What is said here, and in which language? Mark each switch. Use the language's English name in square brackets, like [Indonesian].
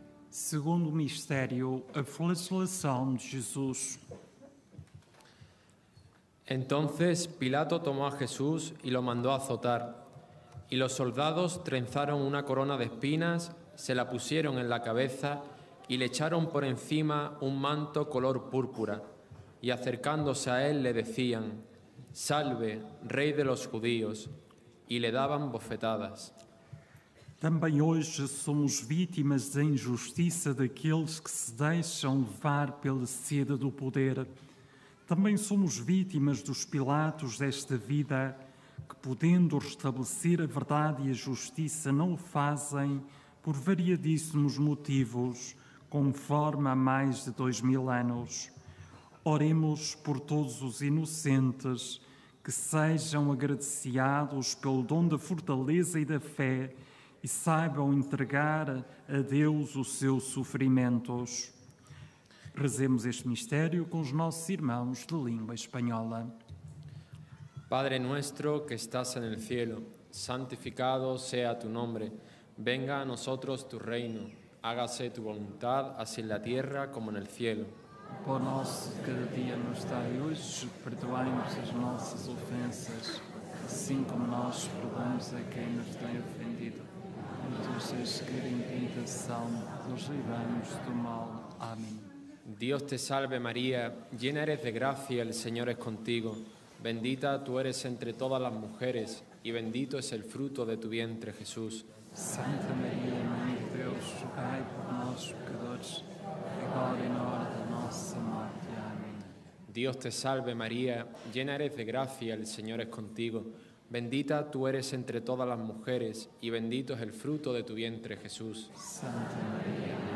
[Portuguese] Segundo o mistério, a flagelação de Jesus. [Spanish] Entonces Pilato tomó a Jesús y lo mandó a azotar. Y los soldados trenzaron una corona de espinas, se la pusieron en la cabeza y le echaron por encima un manto color púrpura. y acercándose a él le decían: «Salve, rey de los judíos», y le daban bofetadas. [Portuguese] Também hoje somos vítimas da injustiça daqueles que se deixam levar pela sede do poder. Também somos vítimas dos pilatos desta vida, que, podendo restabelecer a verdade e a justiça, não o fazem por variadíssimos motivos, conforme há mais de 2000 anos. Oremos por todos os inocentes, que sejam agraciados pelo dom da fortaleza e da fé, e saibam entregar a Deus os seus sofrimentos. Rezemos este mistério com os nossos irmãos de língua espanhola. [Spanish] Padre nuestro que estás en el cielo, santificado sea tu nombre. Venga a nosotros tu reino. Hágase tu voluntad, así en la tierra como en el cielo. [Portuguese] Pão nosso de cada dia nos dai hoje. Perdoai-nos as nossas ofensas, assim como nós perdoamos a quem nos tem ofendido. E tu seres querido em tentação, nos livramos do mal. Amém. [Spanish] Dios te salve, María, llena eres de gracia, el Señor es contigo. Bendita tú eres entre todas las mujeres, y bendito es el fruto de tu vientre, Jesús. [Portuguese] Santa María, Mãe de Deus, rogai por nós, pecadores, agora e na hora da nossa morte. Amém. [Spanish] Dios te salve, María, llena eres de gracia, el Señor es contigo. Bendita tú eres entre todas las mujeres, y bendito es el fruto de tu vientre, Jesús. Santa María,